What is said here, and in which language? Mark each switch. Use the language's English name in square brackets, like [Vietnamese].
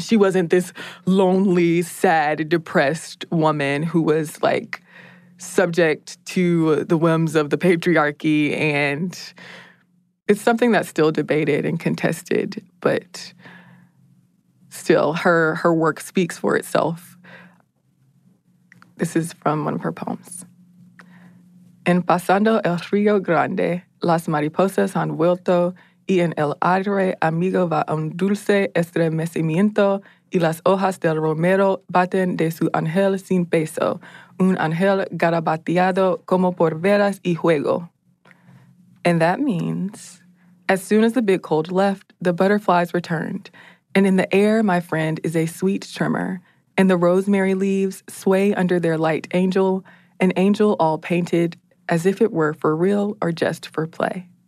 [English] She wasn't this lonely, sad, depressed woman who was, like, subject to the whims of the patriarchy and... It's something that's still debated and contested, but still, her work speaks for itself. This is from one of her poems. [Spanish] En pasando el río grande, las mariposas han vuelto, y en el aire amigo va un dulce estremecimiento, y las hojas del romero baten de su ángel sin peso, un ángel garabateado como por veras y juego. [English] And that means... As soon as the big cold left, the butterflies returned. And in the air, my friend, is a sweet tremor. And the rosemary leaves sway under their light angel, an angel all painted as if it were for real or just for play.